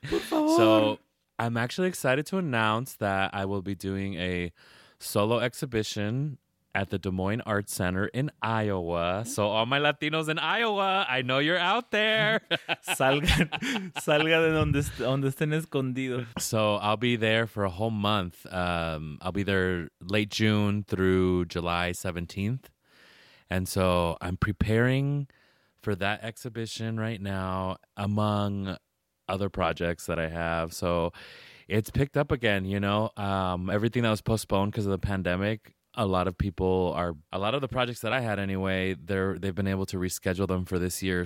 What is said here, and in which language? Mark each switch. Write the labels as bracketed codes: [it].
[en] So I'm actually excited to announce that I will be doing a solo exhibition at the Des Moines Art Center in Iowa. So all my Latinos in Iowa, I know you're out there. [es] Salga de donde estén escondidos. [en] So I'll be there for a whole month. I'll be there late June through July 17th. And so I'm preparing for that exhibition right now among other projects that I have. So it's picked up again, you know. Everything that was postponed because of the pandemic, a lot of the projects that I had anyway, they've been able to reschedule them for this year.